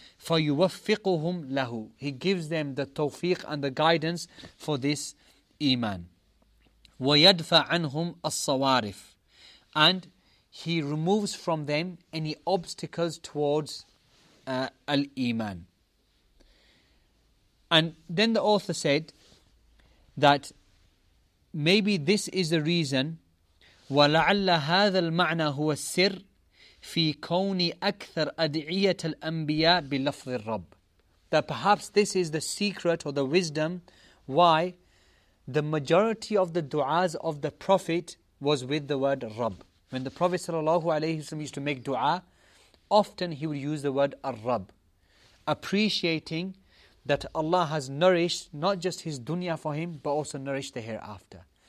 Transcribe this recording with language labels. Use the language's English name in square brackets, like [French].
[Arabic] فَيُوَفِّقُهُمْ لَهُ. [English] He gives them the tawfiq and the guidance for this iman. [Arabic] وَيَدْفَ عَنْهُمْ الصَّوَارِفِ. [English] And He removes from them any obstacles towards al-iman. And then the author said that maybe this is the reason, [Arabic] وَلَعَلَّ هَذَا الْمَعْنَى هُوَ السِّرِّ فِي كَوْنِ أَكْثَرْ أَدْعِيَةَ الْأَنْبِيَاءِ بِلَفْظِ الرَّبِّ. [English] That perhaps this is the secret or the wisdom why the majority of the du'as of the Prophet was with the word Rabb. When the Prophet sallallahu alayhi wasallam used to make dua, often he would use the word Ar-Rab, appreciating that Allah has nourished not just his dunya for him, but also nourished the hereafter.